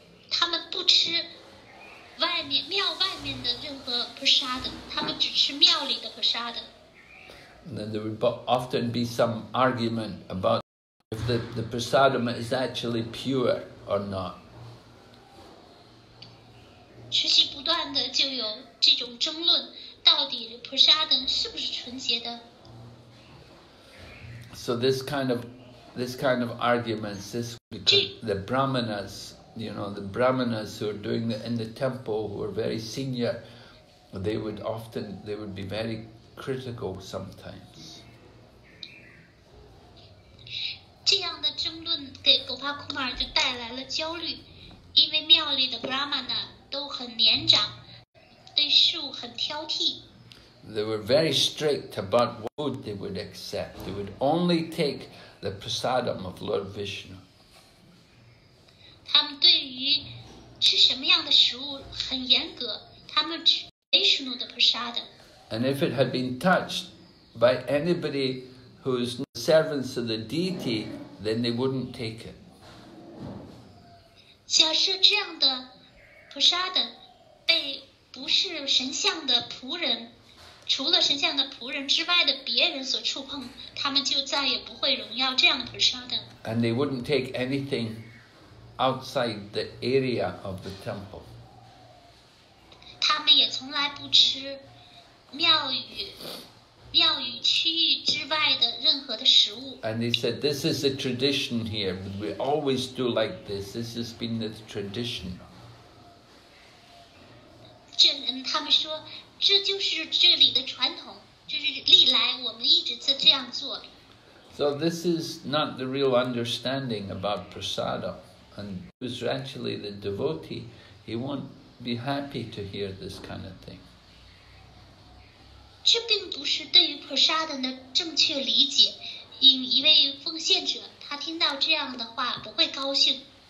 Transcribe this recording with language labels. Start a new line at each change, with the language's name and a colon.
Chinese: 他们不吃庙外面的任何 prasadam, 他们只吃庙里的 prasadam.
English: And then there would often be some argument about if the prasadam is actually pure or not.
Chinese: 持续不断的就有这种争论，到底普沙等是不是纯洁的。
English: So this kind of arguments, this the brahmanas, you know, the brahmanas who are doing in the temple, who are very senior, they would be very critical sometimes.
Chinese: 这样的争论给古巴库马尔就带来了焦虑，因为庙里的 brahmana 都很年长，对事物很挑剔。
English: They were very strict about what they would accept. They would only take the prasadam of Lord Vishnu.
Chinese: 他们对于吃什么样的食物很严格，他们吃 Vishnu 的 prasadam.
English: And if it had been touched by anybody who is servants of the deity, then they wouldn't take it.
Chinese: 假设这样的 prasadam 被不是神像的仆人，除了神像的仆人之外的别人所触碰，他们就再也不会荣耀这样的 prasadam。
English: And they wouldn't take anything outside the area of the temple。
Chinese: 他们也从来不吃庙宇区域之外的任何的食物。
English: And they said, this is a tradition here. We always do like this. This has been the tradition.
Chinese: 他们说这就是这里的传统，就是历来我们一直在这样做。
English: So this is not the real understanding about prasada. And who's actually the devotee, he won't be happy to hear this kind of thing.
Chinese: 这并不是对于 prasada 的正确理解，一位奉献者他听到这样的话不会高兴。